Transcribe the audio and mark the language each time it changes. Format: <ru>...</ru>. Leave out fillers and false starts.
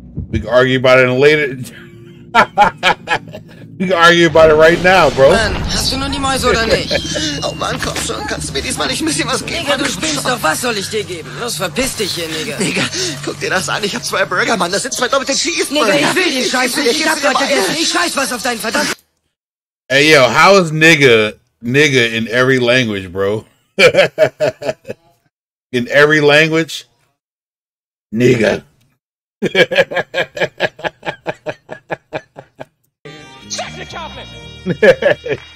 <en>We can argue about it in a later. We can argue about it right now, bro.</en> <de>Mann, hast du nun die Mäuse oder nicht? Oh Mann, komm schon, kannst du mir diesmal nicht ein bisschen was geben? Digga, du spinnst doch, was soll ich dir geben? Los, verpiss dich hier, Nigga. Nigga, guck dir das an, ich hab zwei Burger, Mann, das sind zwei doppelte Cheese. Nigga, ich will den Scheiß nicht, ich hab doch vergessen, ich scheiß was auf deinen Verdammten.</de> <en>Hey yo, how is nigga in every language, bro? In every language, nigga. Check the cabinet.</en>